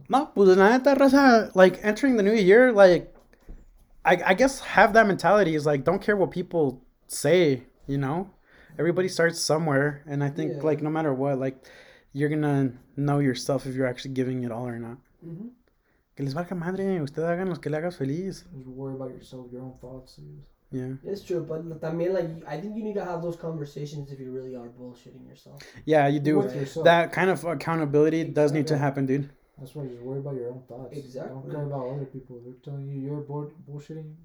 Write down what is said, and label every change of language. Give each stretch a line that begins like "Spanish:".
Spanish: No, pues, raza,
English: like, entering the new year, like, I guess have that mentality is, like, don't care what people say, you know? Everybody starts somewhere, and I think, yeah. like, no matter what, like... You're going to know yourself if you're actually giving it all or not. Mm-hmm.
Spanish: Que les valga madre. Usted hagan los que le hagas feliz.
English: Just worry about yourself, your own thoughts. Yeah. It's true, but también, like, I think you need to have those conversations if you really are bullshitting yourself. Yeah, you do. With yourself. That kind of accountability exactly. does need to happen, dude. That's why you worry about your own thoughts. Exactly. Don't care about other people. They're telling you you're bullshitting.